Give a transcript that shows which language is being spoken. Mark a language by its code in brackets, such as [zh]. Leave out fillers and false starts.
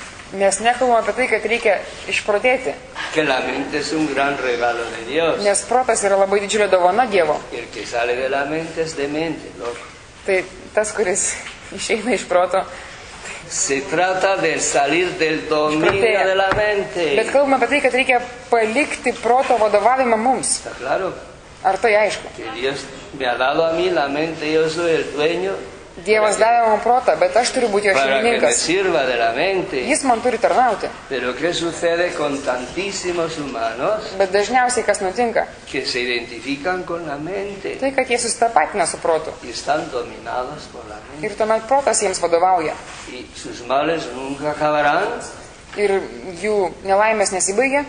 [lt] Mes nekalbam apie tai, kad reikia išprotėti. [es] Que la mente es un gran regalo de Dios. [lt] Nes protas yra labai didžiulė dovana Dievo. [es] El que sale de la mente es demente, loco. [lt] Tai tas, kuris išeina iš proto. [es] Se trata de salir del dominio de la mente. [lt] Bet kalbam apie tai, kad reikia palikti proto vadovavimą mums. [es] Ta claro. [lt] Ar tai aišku? [es] Que Dios me ha dado a mí la mente, yo soy el dueño. [lt] Dievas davė man protą, bet aš turiu būti jo šeimininkas. [es] Para que me sirva de la mente. [lt] Jis man turi tarnauti. [es] Pero qué sucede con tantísimos humanos? [lt] Bet dažniausiai kas nutinka? [es] Que se identifican con la mente. [lt] Tai, kad jie susitapatina su protu. [es] Y están dominados por la mente. [lt] Ir tuomet protas jiems vadovauja. [es] Y sus males nunca acabarán. [lt] Ir jų nelaimės nesibaigia.